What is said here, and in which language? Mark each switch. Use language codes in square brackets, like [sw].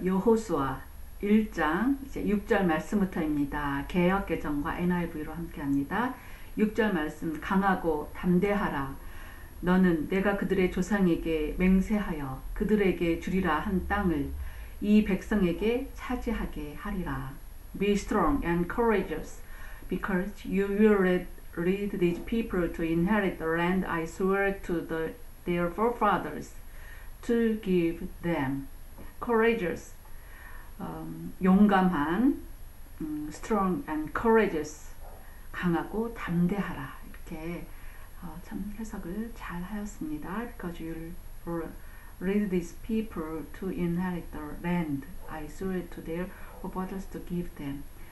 [ko] 여호수아 1장 이제 6절 말씀부터입니다. 개역개정과 NIV로 함께합니다. 6절 말씀 강하고 담대하라. 너는 내가 그들의 조상에게 맹세하여 그들에게 주리라 한 땅을 이 백성에게 차지하게 하리라. [en] Be strong and courageous, because you will lead these people to inherit the land I swore to their forefathers to give them. [ko] Courageous, 용감한, [en] strong and courageous, [ko] 강하고 담대하라. 이렇게 참 해석을 잘 하였습니다. [en] Because you will lead these people to inherit the land I swore to their forefathers to give them.